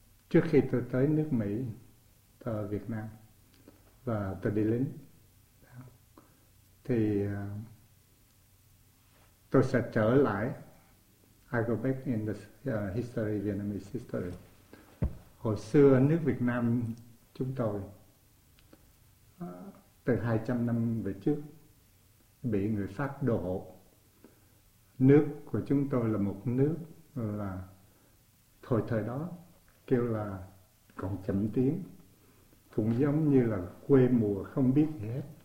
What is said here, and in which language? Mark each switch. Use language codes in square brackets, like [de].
[vi] Trước khi tôi tới nước Mỹ, ở Việt Nam, và tôi đi lính, thì tôi sẽ trở lại. [en] I go back in the history, Vietnamese history. [vi] Hồi xưa nước Việt Nam chúng tôi từ 200 năm về trước bị người Pháp đổ. Nước của chúng tôi là một nước là thời thời đó kêu là còn chậm tiến, cũng giống như là quê mùa không biết gì hết.